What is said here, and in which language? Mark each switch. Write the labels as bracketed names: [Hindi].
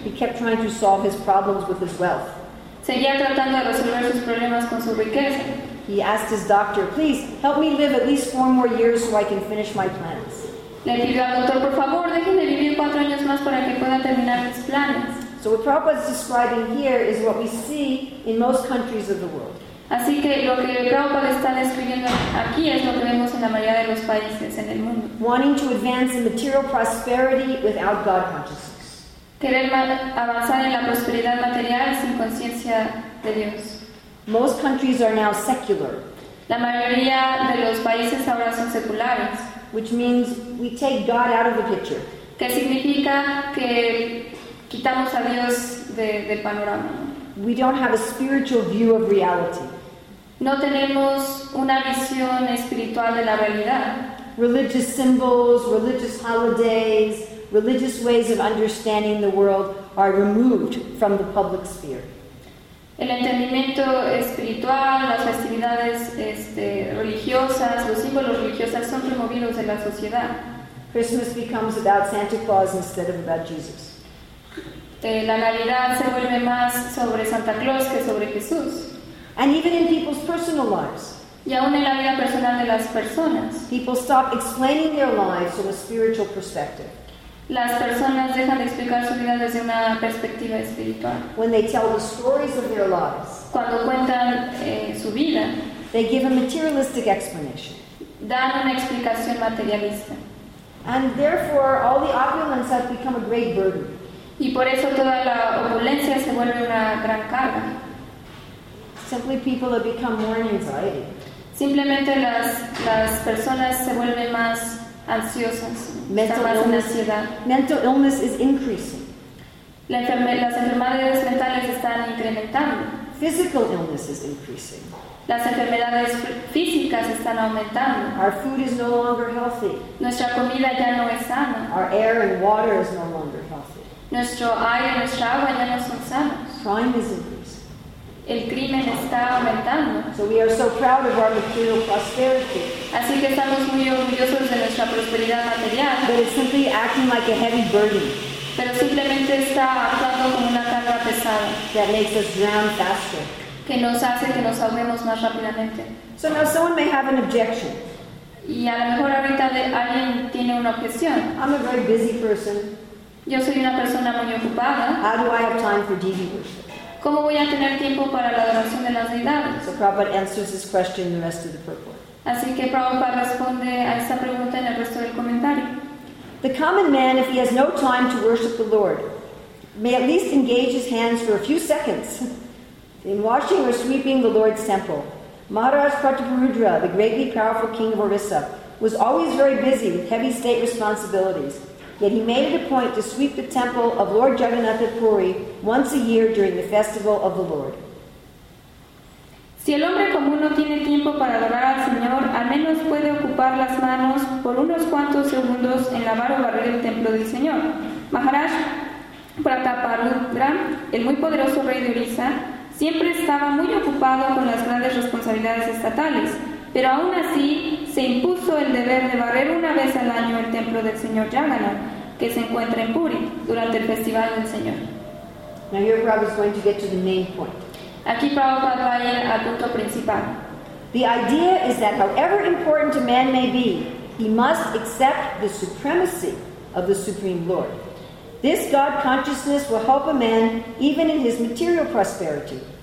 [English] He kept trying to solve his problems with his wealth. [Spanish] Seguía tratando de resolver sus problemas con su riqueza. [English] He asked his doctor, please help me live at least 4 more years so I can finish my plans. [Spanish] Le pidió al doctor, por favor, déjenme vivir 4 años más para que pueda terminar mis planes. [English] So what Prabhupada is describing here is what we see in most countries of the world. [Spanish] Así que lo que Prabhupada está describiendo aquí es lo que vemos en la mayoría de los países en el mundo. [English] Wanting to advance in material prosperity without God consciousness. [Spanish] Querer avanzar en la prosperidad material sin conciencia de Dios. [English] Most countries are now secular. [Spanish] La mayoría de los países ahora son seculares. [English] Which means we take God out of the picture. [Spanish] Que significa que quitamos a Dios del panorama. [English] We don't have a spiritual view of reality. [Spanish] No tenemos una visión espiritual de la realidad. [English] Religious symbols, religious holidays, religious ways of understanding the world are removed from the public sphere. [Spanish] El entendimiento espiritual, las festividades religiosas, los símbolos religiosos son removidos de la sociedad. [English] Christmas becomes about Santa Claus instead of about Jesus. [Spanish] La Navidad se vuelve más sobre Santa Claus que sobre Jesús. [English] And even in people's personal lives. [Spanish] Y aún en la vida personal de las personas. [English] People stop explaining their lives from a spiritual perspective. [Spanish] Las personas dejan de explicar su vida desde una perspectiva espiritual. [English] When they tell the stories of their lives, [Spanish] cuando cuentan su vida, [English] they give a materialistic explanation. [Spanish] Dan una explicación materialista. [English] And therefore, all the opulence has become a great burden. [Spanish] Y por eso toda la opulencia se vuelve una gran carga. [English] Simply, people have become more in anxiety. [Spanish] Simplemente las personas se vuelven más ansiosas. [English] Mental illness is increasing. [Spanish] Las enfermedades mentales están incrementando. [English] Physical illness is increasing. [Spanish] Las enfermedades físicas están aumentando. [English] Our food is no longer healthy. [Spanish] Nuestra comida ya no es sana. [English] Our air and water is no longer healthy. [Spanish] Nuestro aire y nuestra agua ya no son sanos. [English] Crime is increasing. [Spanish] El crimen está aumentando. [English] So we are so proud of our material prosperity. [Spanish] Así que estamos muy orgullosos de nuestra prosperidad material. [English] But it's simply acting like a heavy burden. [Spanish] Pero simplemente está actuando como una carga pesada. [English] That makes us drown faster. [Spanish] Que nos hace que nos ahoguemos más rápidamente. [English] So now someone may have an objection. [Spanish] Y a lo mejor ahorita alguien tiene una objeción. [English] I'm a very busy person. [Spanish] Yo soy una persona muy ocupada. [English] How do I have time for deity worship? [Spanish] ¿Cómo voy a tener tiempo para la adoración de las deidades? [English] So Prabhupada answers this question in the rest of the purport. [Spanish] Así que Prabhupada responde a esta pregunta en el resto del comentario. [English] The common man, if he has no time to worship the Lord, may at least engage his hands for a few seconds in washing or sweeping the Lord's temple. Maharaj Pratapurudra, the greatly powerful king of Orissa, was always very busy with heavy state responsibilities, yet he made it a point to sweep the temple of Lord Jagannath at Puri once a year during the festival of the Lord. [Spanish] Si el hombre común no tiene tiempo para adorar al Señor, al menos puede ocupar las manos por unos cuantos segundos en lavar o barrer el templo del Señor. Maharaj Prataparudra, el muy poderoso rey de Orissa, siempre estaba muy ocupado con las grandes responsabilidades estatales, pero aún así se impuso el deber de barrer una vez al año el templo del Señor Jagannath, que se encuentra en Puri, durante el festival del Señor. [English] Now your brother is going to get to the main point. [Spanish] Aquí Prabhupada va a ir al punto principal. [English] The idea is that however important a man may be, he must accept the supremacy of the Supreme Lord. This God consciousness will help a man even in his material prosperity.